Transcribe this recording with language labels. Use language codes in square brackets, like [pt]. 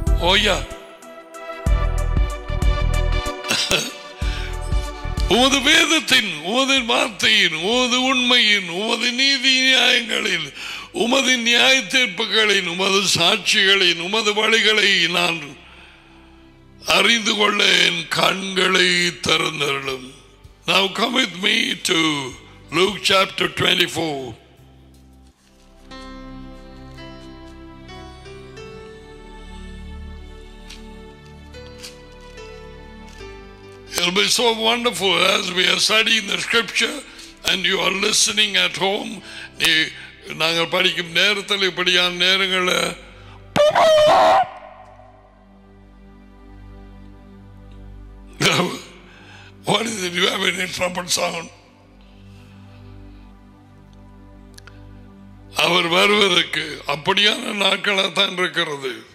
[ta] ஓயா, உமது வேதத்தின், உமது வார்த்தையின், உமது உண்மையின், உமது நீதி நியாயங்களில், உமது நியாய தீர்ப்புகளின், உமது சாட்சிகளின், உமது வழிகளை நான் அறிந்து கொள்ள என் கண்களை திறந்தருளும். [en] Now come with me to Luke chapter 24. It'll be so wonderful as we are studying the scripture and you are listening at home. [ta] நாங்கள் படிக்கும் நேரத்தில் இப்படியான நேரங்கள் [en] you have any trumpet sound? [ta] அவர் வருவதற்கு அப்படியான நாட்களாக தான் இருக்கிறது.